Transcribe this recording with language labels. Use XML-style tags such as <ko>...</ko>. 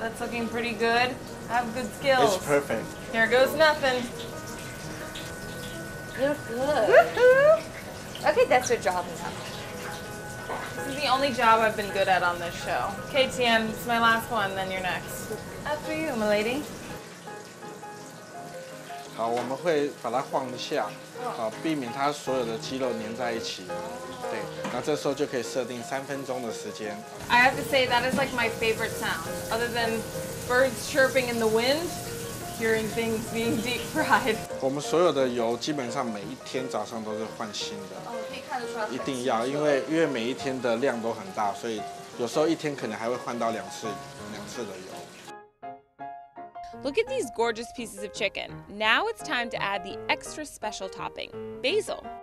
<en>That's looking pretty good. I have good skills. It's perfect. Here goes nothing. You're good. Woo-hoo. Okay, that's your job now. This is the only job I've been good at on this show. KTM, it's my last one, then you're next. After you, m'lady.</en> <zh>好，我们会把它晃一下，好，避免它所有的肌肉粘在一起。对，那这时候就可以设定三分钟的时间。</zh> <en>I have to say that is like my favorite sound, other than birds chirping in the wind, hearing things being deep fried.</en> <zh>我们所有的油基本上每一天早上都是换新的。哦，可以看得出来。一定要，因为每一天的量都很大，所以有时候一天可能还会换到两次的油。</zh> <en>Look at these gorgeous pieces of chicken. Now it's time to add the extra special topping, basil.</en>